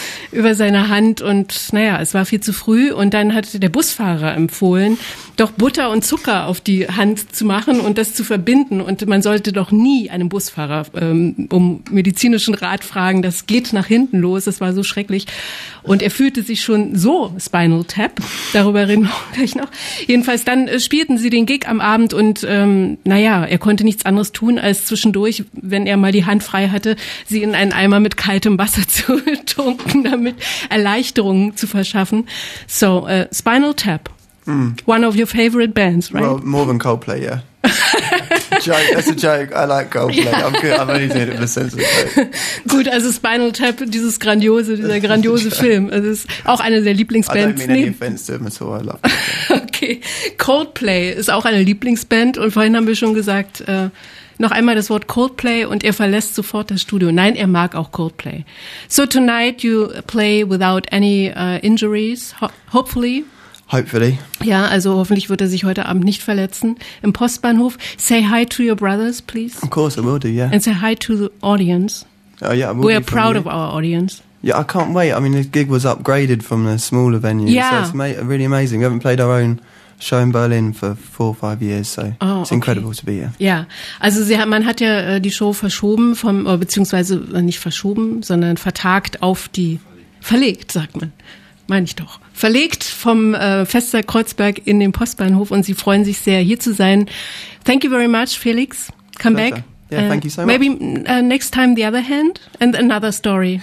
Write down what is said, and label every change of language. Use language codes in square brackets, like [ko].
[de] über seine Hand, und naja, es war viel zu früh, und dann hat der Busfahrer empfohlen, doch Butter und Zucker auf die Hand zu machen und das zu verbinden, und man sollte doch nie einem Busfahrer um medizinischen Rat fragen, das geht nach hinten los, das war so schrecklich, und er fühlte sich schon so Spinal Tap, darüber reden wir gleich noch. Jedenfalls, dann spielten sie den Gig am Abend und er konnte nichts anderes tun, als zwischendurch, wenn er mal die Hand frei hatte, sie in einen Eimer mit kaltem Wasser zu tunken, damit Erleichterung zu verschaffen. [en] So, Spinal Tap, one of your favorite bands, right? Well, more than Coldplay, yeah. Joke, that's a joke. I like Coldplay. Yeah. I'm good. I've only seen it for sense of joke. [de] Gut, also Spinal Tap, dieser grandiose Film. Also es ist auch eine der Lieblingsbands. [en] I don't mean any offense to them at all. I love [de] Okay. Coldplay ist auch eine Lieblingsband. Und vorhin haben wir schon gesagt, noch einmal das Wort Coldplay und er verlässt sofort das Studio. Nein, er mag auch Coldplay. [en] So tonight you play without any injuries, hopefully. Hopefully. [de] Ja, also hoffentlich wird er sich heute Abend nicht verletzen. Im Postbahnhof. [en] Say hi to your brothers, please. Of course, I will do, yeah. And say hi to the audience. Oh, yeah, I will. We are proud of our audience. Yeah, I can't wait. I mean, this gig was upgraded from the smaller venue. Yeah. So it's really amazing. We haven't played our own show in Berlin for 4 or 5 years, so it's incredible to be here. [de] Ja, also man hat ja die Show verschoben vom, beziehungsweise nicht verschoben, sondern vertagt auf die, verlegt, sagt man. Meine ich doch. Verlegt vom Festsaal Kreuzberg in den Postbahnhof und sie freuen sich sehr, hier zu sein. [en] Thank you very much, Felix. Come back. Yeah, thank you so much. Maybe next time the other hand and another story.